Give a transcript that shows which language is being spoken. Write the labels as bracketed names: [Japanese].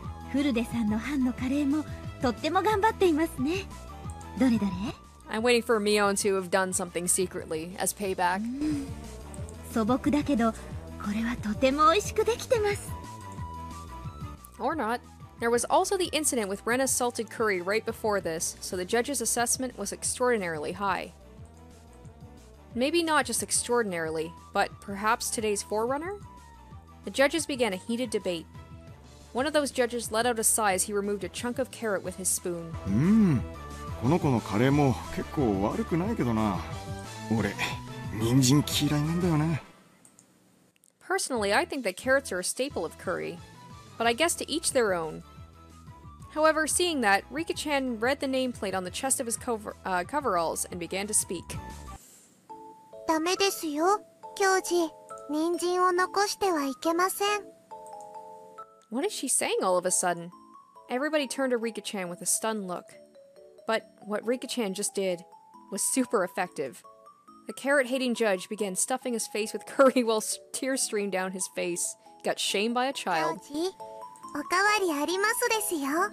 [Japanese] フルデさんの班のカレーもとっても頑張っていますね。どれどれ？ [English] I'm waiting for Mion to have done something secretly as payback. [Japanese] 素朴だけど、これはとても美味しくできてます。 [English] Or not. There was also the incident with Rena's salted curry right before this, so the judge's assessment was extraordinarily high. Maybe not just extraordinarily, but perhaps today's forerunner? The judges began a heated debate. One of those judges let out a sigh as he removed a chunk of carrot with his spoon. [Japanese] この子のカレーも結構悪くないけどな。俺、人参嫌いなんだよね。 [English] Personally, I think that carrots are a staple of curry. But I guess to each their own. However, seeing that, Rika-chan read the nameplate on the chest of his coveralls and began to speak. [Japanese] ダメですよ、教授。人参を残してはいけません。 [English] What is she saying all of a sudden? Everybody turned to Rika-chan with a stunned look. But what Rika-chan just did was super effective. The carrot-hating judge began stuffing his face with curry while tears streamed down his face. Got shamed by a child. [Japanese] 教授、おかわりありますですよ。